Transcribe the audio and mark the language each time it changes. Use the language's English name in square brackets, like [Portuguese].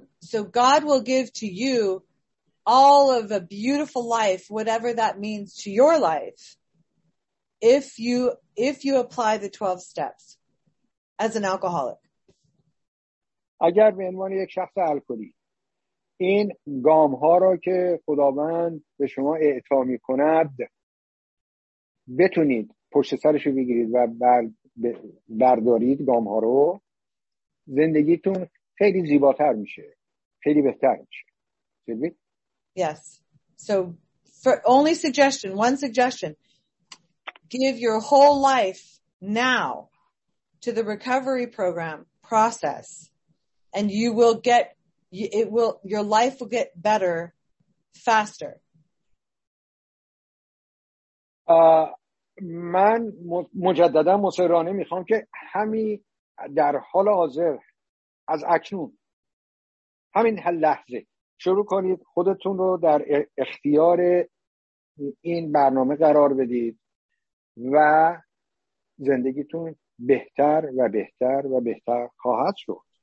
[English] So God will give to you all of a beautiful life, whatever that means to your life, if you apply the 12 steps as an alcoholic. [Persian] اگر به عنوان یک شخص الکلی این گام ها را که خداوند به شما اعطا می کند بتونید پشت سرش رو بگیرید و بردارید گام ها رو، زندگیتون خیلی زیباتر میشه، خیلی بهتر میشه. ببینید؟ [English] Yes. So for only suggestion, one suggestion. Give your whole life now to the recovery program process and you will get it will your life will get better faster. [Persian] من مجددا مصرانه میخوام که همین در حال حاضر از اکنون همین هر لحظه شروع کنید خودتون رو در اختیار این برنامه قرار بدید و زندگیتون بهتر و بهتر و بهتر خواهد شد.